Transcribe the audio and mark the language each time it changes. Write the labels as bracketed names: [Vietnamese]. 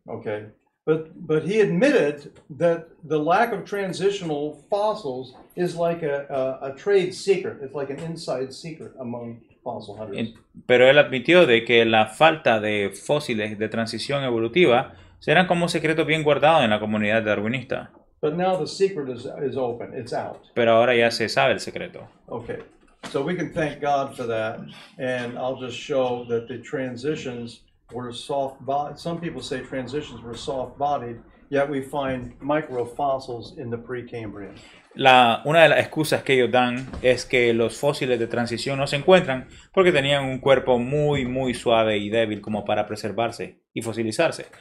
[English] Okay. But he admitted that the lack of transitional fossils is like a trade secret. It's like an inside secret among fossil hunters. [Spanish] Pero él admitió de que la falta de fósiles de transición evolutiva serán como un secreto bien guardado en la comunidad darwinista. [English] But now the secret is open. It's out. [Spanish] Pero ahora ya se sabe el secreto. [English] Okay. So we can thank God for that, and I'll just show that the transitions were soft body. Some people say transitions were soft bodied, yet we find microfossils in the Precambrian. [Spanish] Una de las excusas que ellos dan es que los fósiles de transición no se encuentran porque tenían un cuerpo muy muy suave y débil como para preservarse y fosilizarse.